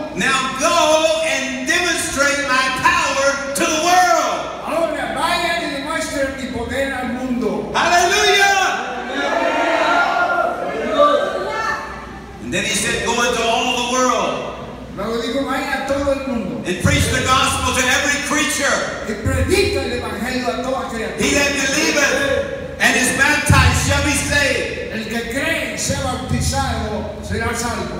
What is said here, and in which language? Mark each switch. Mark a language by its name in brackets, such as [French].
[English] Now go and demonstrate my power to the world. [Spanish] Ahora vaya y demuestre mi poder al mundo. [English] Hallelujah! And then he said, go into all the world. [Spanish] Luego dijo, vaya a todo el mundo. [English] And preach the gospel to every creature. [Spanish] Y predica el evangelio a toda criatura. [English] He that believeth and is baptized shall be saved. [Spanish] El que cree sea bautizado será salvo.